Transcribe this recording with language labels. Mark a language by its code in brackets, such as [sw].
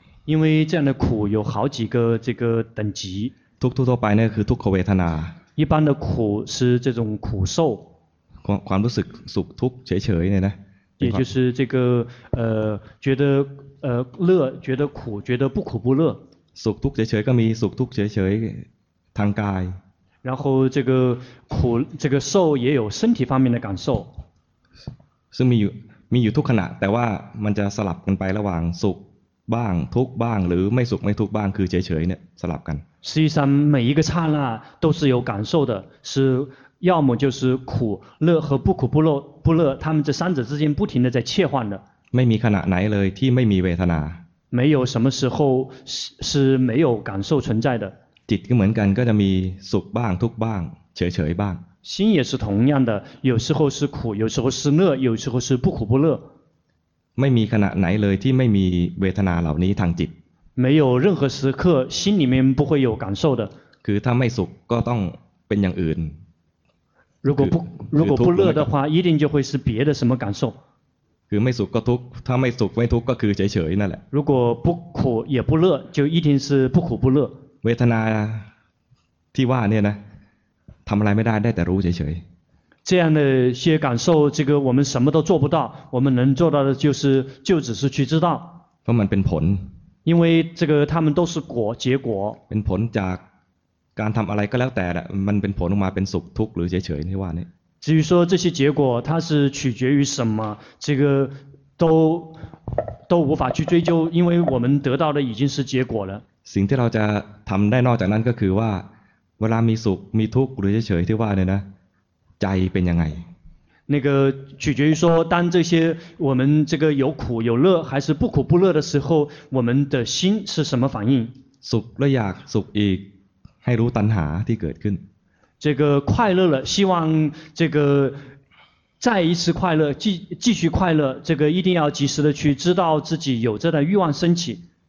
[zh] 因为这样的苦有好几个这个等级。 [th] ทุกทุกทั่วไปนี่คือทุกขเวทนา [zh] 一般的苦是这种苦受。 [th] ความรู้สึกสุขทุกข์เฉยๆเนี่ยนะ [zh] 也就是这个觉得乐觉得苦觉得不苦不乐。 [th] สุขทุกข์เฉยๆก็มีสุขทุกข์เฉยๆทางกาย。 [zh] 然后这个苦这个受也有身体方面的感受。 [th] ซึ่งมีอยู่ทุกขณะแต่ว่ามันจะสลับกันไประหว่างสุขบ้างทุกบ้างหรือไม่สุขไม่ทุกบ้างคือเฉยๆเนี่ยสลับกัน [zh] 实际上每一个刹那都是有感受的是要么就是苦乐和不苦不乐不乐他们这三者之间不停的在切换的 [th] ไม่มีขณะไหนเลยที่ไม่มีเวทนา [zh] 没有什么时候是没有感受存在的 [th] จิตก็เหมือนกันก็จะมีสุขบ้างทุกบ้างเฉยๆบ้าง [zh] 心也是同样的有时候是苦有时候是乐有时候是不苦不乐 [th] ไม่มีขณะไหนเลยที่ไม่มีเวทนาเหล่านี้ทางจิต [zh] 没有任何时刻心里面不会有感受的 [th] คือถ้าไม่สุขก็ต้องเป็นอย่างอื่น [zh] 如果不乐的话一定就会是别的什么感受 [th] คือไม่สุขก็ทุกข์ถ้าไม่สุขไม่ทุกข์ก็คือเฉยๆนั่นแหละ [zh] 如果不苦也不乐就一定是不苦不乐 [th] เวทนาที่ว่าเนี่ยนะทำอะไรไม่ได้ได้แต่รู้เฉยๆ [zh] 这样的些感受这个我们什么都做不到我们能做到的就只是去知道 [th] เพราะมันเป็นผล [zh] 因为这个他们都是果结果 [th] เป็นผลจากการทำอะไรก็แล้วแต่แหละมันเป็นผลออกมาเป็นสุขทุกข์หรือเฉยๆที่ว่านี่ [zh] 至于说这些结果它是取决于什么这个都无法去追究因为我们得到的已经是结果了 [th] สิ่งที่เราจะทำได้นอกจากนั้นก็คือว่าเวลามีสุขมีทุกข์หรือเฉยๆที่ว่านี่นะใจเป็นยังไง [zh] 那个取决于说当这些我们这个有苦有乐还是不苦不乐的时候我们的心是什么反应 [th] สุขและอยากสุขอีกให้รู้ตัณหาที่เกิดขึ้น [zh] 这个快乐了希望这个再一次快乐继续快乐这个一定要及时的去知道自己有这段欲望升起